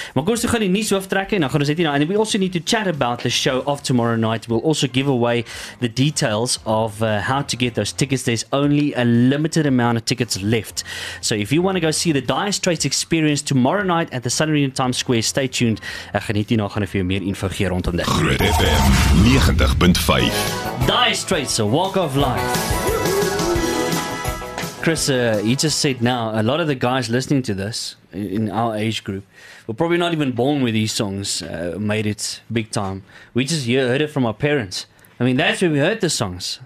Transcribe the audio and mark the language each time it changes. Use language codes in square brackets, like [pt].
[af] Maar kom ons gaan die nuus hoftrek en dan gaan ons net nou, [en] and we also need to chat about the show of tomorrow night. We'll also give away the details of how to get those tickets. There's only a limited amount of tickets left. So if you want to go see the Dire Straits Experience tomorrow night at the Sun Arena Times Square, stay tuned. [af] Ek gaan net hierna gaan vir jou meer info gee rondom dit. Groot FM 90.5. [en] Dire Straits, a walk of life. Chris, you just said now, a lot of the guys listening to this in our age group, we're probably not even born with these songs, made it big time. We just heard it from our parents. I mean, that's where we heard the songs.